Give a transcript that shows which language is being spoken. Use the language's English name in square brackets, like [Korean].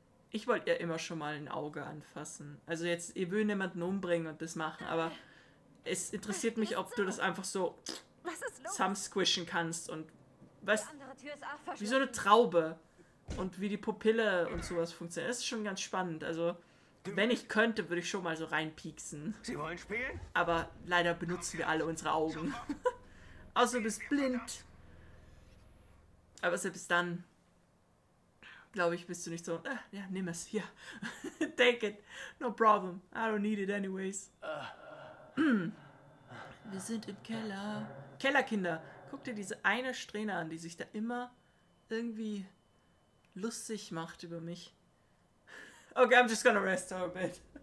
[German] Ich wollte ja immer schon mal ein Auge anfassen. Also jetzt, ihr will niemanden umbringen und das machen, aber es interessiert mich, ob du das einfach so zusammensquischen kannst und was, wie so eine Traube und wie die Pupille und sowas funktioniert. Das ist schon ganz spannend. Also, wenn ich könnte, würde ich schon mal so reinpieksen. Sie wollen spielen? Aber leider benutzen wir alle unsere Augen. Außer du bist blind. Aber selbst dann, glaube ich, bist du nicht so, ja, nimm es, hier. [English] Take it, no problem, I don't need it anyways. [German] Wir sind im Keller. Kellerkinder, guck dir diese eine Strähne an, die sich da immer irgendwie lustig macht über mich. [English] Okay, I'm just gonna rest for a bit.